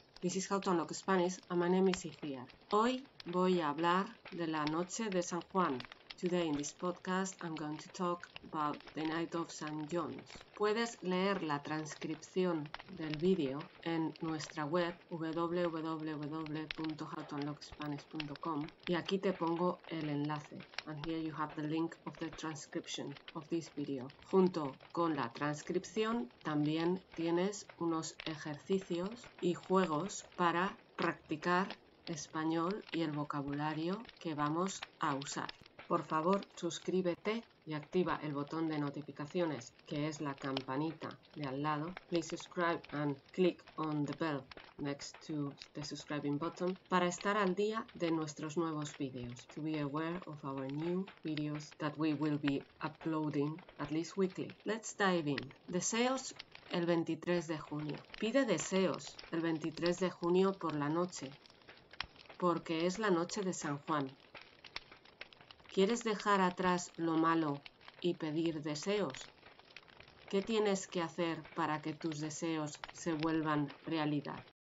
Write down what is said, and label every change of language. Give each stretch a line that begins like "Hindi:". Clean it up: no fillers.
English: This is How to Unlock Spanish, and my name is Icíar.
Spanish: Hoy voy a hablar de la noche de San Juan.
English: Today in this podcast, I'm going to talk about the night of St. John's.
Spanish: Puedes leer la transcripción del vídeo en nuestra web www.howtounlockspanish.com y aquí te pongo el enlace.
English: And here you have the link of the transcription of this video.
Spanish: Junto con la transcripción también tienes unos ejercicios y juegos para practicar español y el vocabulario que vamos a usar. Por favor, suscríbete y activa el botón de notificaciones, que es la campanita de al lado.
English: Please subscribe and click on the bell next to the subscribing button
Spanish: para estar al día de nuestros nuevos videos.
English: To be aware of our new videos that we will be uploading at least weekly. Let's dive in.
Spanish: Deseos el 23 de junio. Pide deseos el 23 de junio por la noche, porque es la noche de San Juan. ¿Quieres dejar atrás lo malo y pedir deseos? ¿Qué tienes que hacer para que tus deseos se vuelvan realidad?